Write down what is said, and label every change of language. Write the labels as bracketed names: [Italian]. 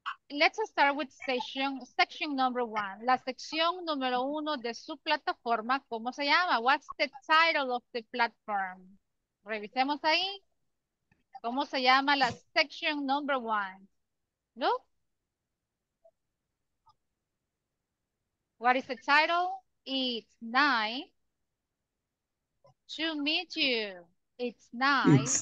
[English] Let's start with section number one. [Spanish] La sección número uno de su plataforma, ¿cómo se llama? [English] What's the title of the platform? [Spanish] Revisemos ahí. ¿Cómo se llama la [English] section number one? [Spanish] ¿No? [English] What is the title? It's nice to meet you. It's nice